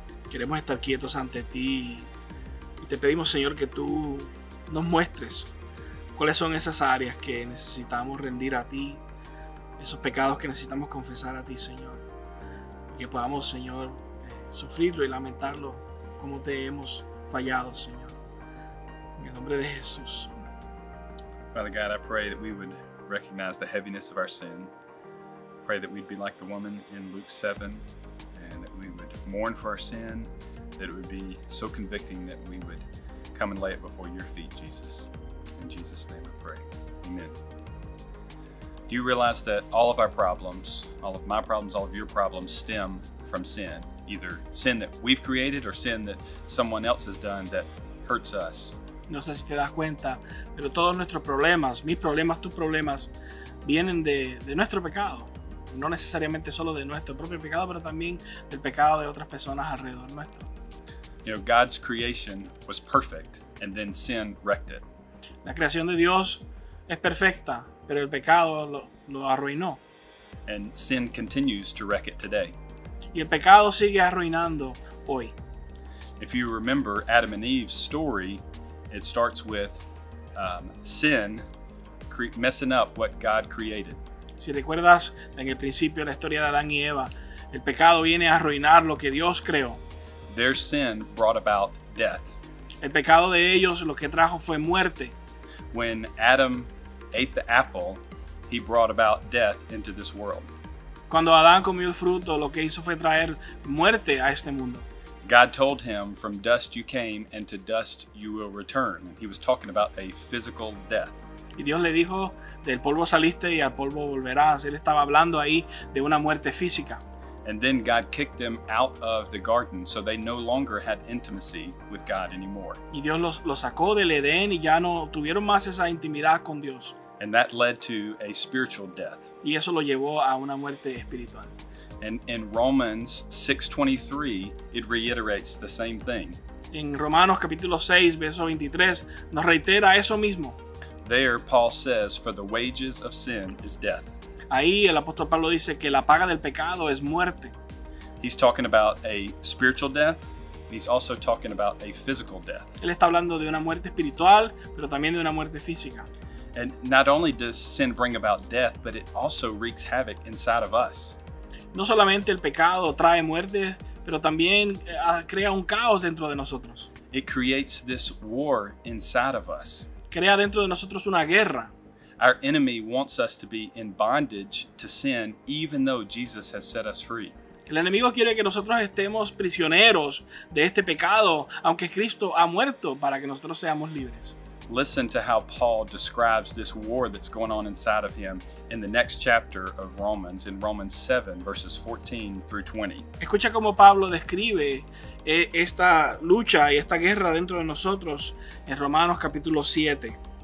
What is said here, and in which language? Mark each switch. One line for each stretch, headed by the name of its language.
Spanish: Queremos estar quietos ante ti. Y te pedimos, Señor, que tú nos muestres cuáles son esas áreas que necesitamos rendir a ti, esos pecados que necesitamos confesar a ti, Señor. Y que podamos, Señor, sufrirlo y lamentarlo como te hemos fallado, Señor. En el nombre de Jesús.
English: Father God, I pray that we would recognize the heaviness of our sin. Pray that we'd be like the woman in Luke 7, and that we would mourn for our sin, that it would be so convicting that we would come and lay it before your feet, Jesus. In Jesus' name I pray, amen. Do you realize that all of our problems, all of my problems, all of your problems stem from sin, either sin that we've created or sin that someone else has done that hurts us?
Spanish: No sé si te das cuenta, pero todos nuestros problemas, mis problemas, tus problemas, vienen de nuestro pecado. No necesariamente solo de nuestro propio pecado, pero también del pecado de otras personas alrededor nuestro.
English: You know, God's creation was perfect, and then sin wrecked it.
Spanish: La creación de Dios es perfecta, pero el pecado lo arruinó.
English: And sin continues to wreck it today.
Spanish: Y el pecado sigue arruinando hoy.
English: If you remember Adam and Eve's story, it starts with sin messing up what God created.
Spanish: Si recuerdas, en el principio de la historia de Adán y Eva, el pecado viene a arruinar lo que Dios creó.
English: Their sin brought about death.
Spanish: El pecado de ellos lo que trajo fue muerte.
English: When Adam ate the apple, he brought about death into this world.
Spanish: Cuando Adán comió el fruto, lo que hizo fue traer muerte a este mundo.
English: God told him, "From dust you came, and to dust you will return." He was talking about a physical death.
Spanish: Y Dios le dijo, del polvo saliste y al polvo volverás. Él estaba hablando ahí de una muerte física.
English: And then God kicked them out of the garden, so they no longer had intimacy with God anymore.
Spanish: Y Dios los sacó del Edén y ya no tuvieron más esa intimidad con Dios.
English: And that led to a spiritual death.
Spanish: Y eso lo llevó a una muerte espiritual.
English: And in Romans 6:23, it reiterates the same thing.
Spanish: En Romanos capítulo 6, verso 23, nos reitera eso mismo.
English: There, Paul says, "For the wages of sin is death."
Spanish: Ahí el apóstol Pablo dice que la paga del pecado es muerte.
English: He's talking about a spiritual death. He's also talking about a physical death.
Spanish: Él está hablando de una muerte espiritual, pero también de una muerte física.
English: And not only does sin bring about death, but it also wreaks havoc inside of us.
Spanish: No solamente el pecado trae muerte, pero también crea un caos dentro de nosotros.
English: It creates this war inside of us.
Spanish: Crea dentro de nosotros una guerra.
English: Our enemy wants us to be in bondage to sin, even though Jesus has set us free.
Spanish: El enemigo quiere que nosotros estemos prisioneros de este pecado, aunque Cristo ha muerto para que nosotros seamos libres.
English: Listen to how Paul describes this war that's going on inside of him in the next chapter of Romans, in Romans 7, verses 14 through 20.
Spanish: Escucha cómo Pablo describe esta lucha y esta guerra dentro de nosotros en Romanos capítulo 7.